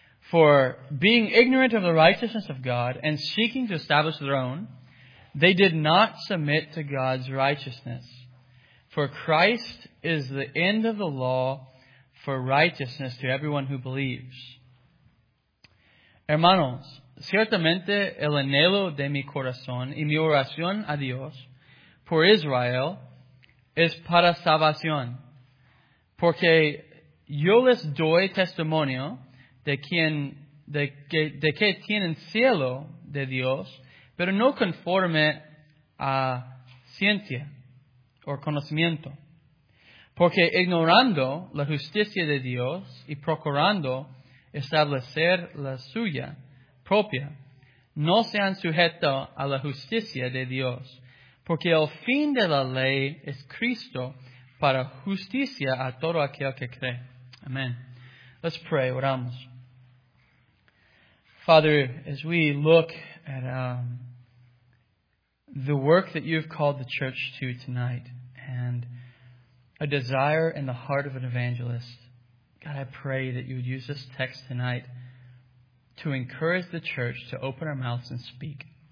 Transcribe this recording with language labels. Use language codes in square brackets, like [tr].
[en] For being ignorant of the righteousness of God and seeking to establish their own, they did not submit to God's righteousness. For Christ is the end of the law for righteousness to everyone who believes. [es] Hermanos, ciertamente el anhelo de mi corazón y mi oración a Dios por Israel es para salvación, porque yo les doy testimonio de que tienen cielo de Dios, pero no conforme a ciencia o conocimiento, porque ignorando la justicia de Dios y procurando establecer la suya propia, no se han sujeto a la justicia de Dios, porque el fin de la ley es Cristo para justicia a todo aquel que cree. [en] Amen. Let's pray. [es] Oramos. [en] Father, as we look at the work that you've called the church to tonight, and a desire in the heart of an evangelist, God, I pray that you would use this text tonight to encourage the church to open our mouths and speak.